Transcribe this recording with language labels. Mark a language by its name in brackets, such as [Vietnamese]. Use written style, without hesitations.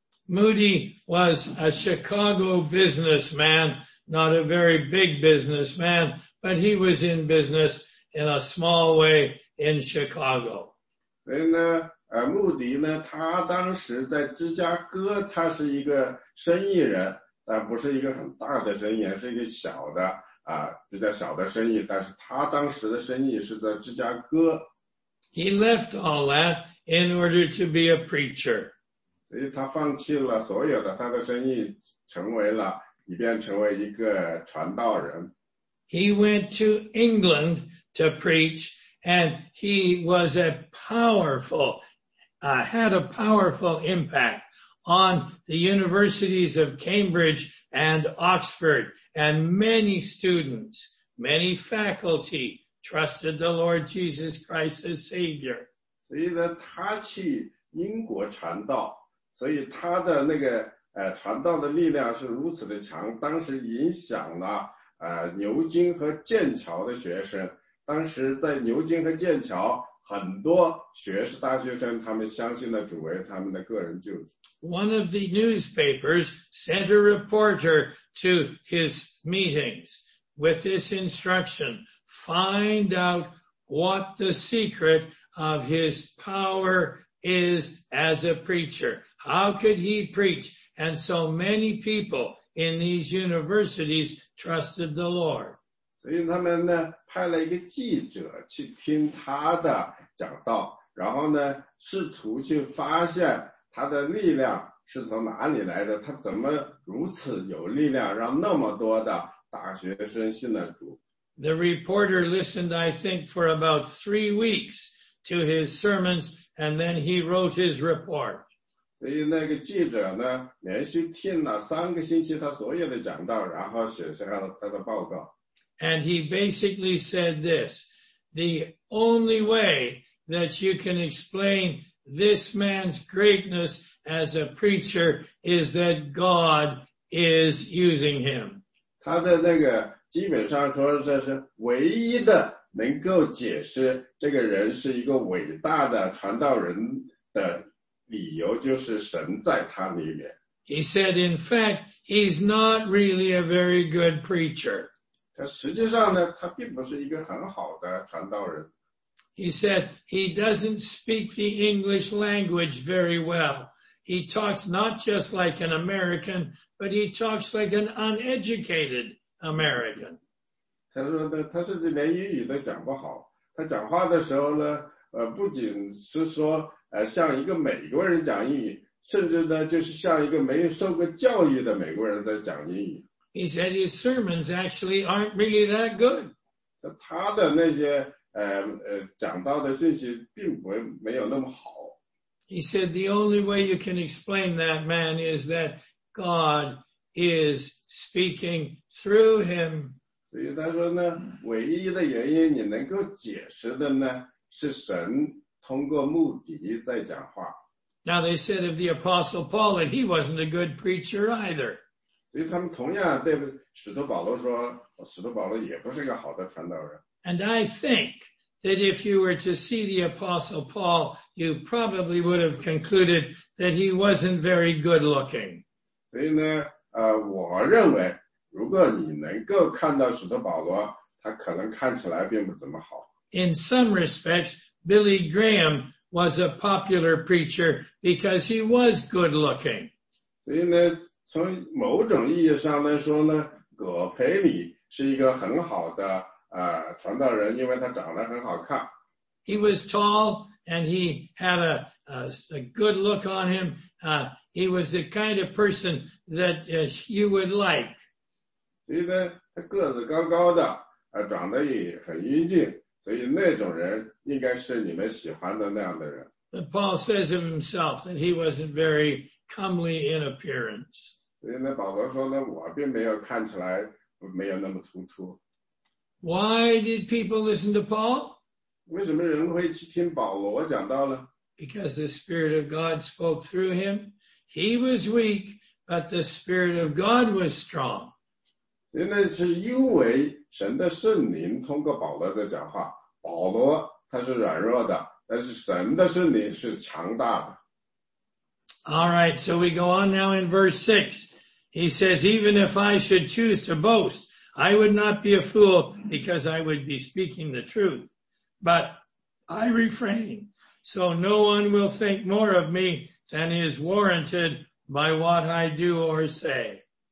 [English] Moody was a Chicago businessman, not a very big businessman,But he was in business in a small way in Chicago. [Chinese] 所以呢，穆迪呢，他当时在芝加哥，他是一个生意人，但不是一个很大的生意，而是一个小的比较小的生意。但是他当时的生意是在芝加哥。 [English] He left all that in order to be a preacher. [Chinese] 所以他放弃了所有的他的生意，以便成为一个传道人。 [English] He went to England to preach, and he was had a powerful impact on the universities of Cambridge and Oxford, and many students, many faculty trusted the Lord Jesus Christ as Savior. [Chinese] 所以呢，他去英国传道，所以他的那个传道的力量是如此的强，当时影响了牛津和剑桥的学生，当时在牛津和剑桥，很多大学生，他们相信了主为他们的个人救主。 [English] One of the newspapers sent a reporter to his meetings with this instruction: find out what the secret of his power is as a preacher. How could he preach? And so many people in these universities. Trusted the Lord. [Chinese] 所以他们呢派了一个记者去听他的讲道，然后呢试图去发现他的力量是从哪里来的，他怎么如此有力量让那么多的大学生信了主。 [English] The reporter listened, I think, for about 3 weeks to his sermons, and then he wrote his report. [Chinese] 所以那个记者呢，连续听了3个星期他所有的讲道，然后写下了他的报告。 [English] And he basically said this: the only way that you can explain this man's greatness as a preacher is that God is using him. [Chinese] 他的那个基本上说，这是唯一的能够解释这个人是一个伟大的传道人的。理由就是神在他里面。 [English] He said, in fact, he's not really a very good preacher. [Chinese] 他实际上呢，他并不是一个很好的传道人。 [English] He said, he doesn't speak the English language very well. He talks not just like an American, but he talks like an uneducated American. [Chinese] 他说呢，他甚至连英语都讲不好。他讲话的时候呢，不仅是说像一个美国人讲英语，甚至呢，就是像一个没有受过教育的美国人在讲英语。 [English] He said his sermons actually aren't really that good. [Chinese] 他的那些讲到的信息并不没有那么好。 [English] He said the only way you can explain that man is that God is speaking through him. [Chinese] 所以他说呢，唯一的原因你能够解释的呢，是神。通过穆迪在讲话。 [English] Now they said of the Apostle Paul that he wasn't a good preacher either. [Chinese] 所以他们同样对使徒保罗说，使徒保罗也不是一个好的传道人。 [English] And I think that if you were to see the Apostle Paul, you probably would have concluded that he wasn't very good looking. [Chinese] 所以呢，我认为如果你能够看到使徒保罗，他可能看起来并不怎么好。 [English] In some respects, Billy Graham was a popular preacher because he was good looking. [Chinese] 所以呢，从某种意义上来说呢，葛培理是一个很好的传道人，因为他长得很好看。 [English] He was tall and he had a good look on him. He was the kind of person that you would like. [Chinese] 所以呢，他个子高高的，长得也很英俊。所以那种人应该是你们喜欢的那样的人。 [English] But Paul says of himself that he wasn't very comely in appearance. [Chinese] 所以呢，保罗说呢，我并没有看起来没有那么突出。 [English] Why did people listen to Paul? [Chinese] 为什么人会去听保罗讲道呢？ [English] Because the Spirit of God spoke through him. He was weak, but the Spirit of God was strong. [Chinese] 因为是因为神的圣灵通过保罗的讲话，保罗他是软弱的，但是神的圣灵是强大的。 [English] All right, so we go on now in verse 6. He says, even if I should choose to boast, I would not be a fool because I would be speaking the truth. But I refrain, so no one will think more of me than is warranted by what I do or say.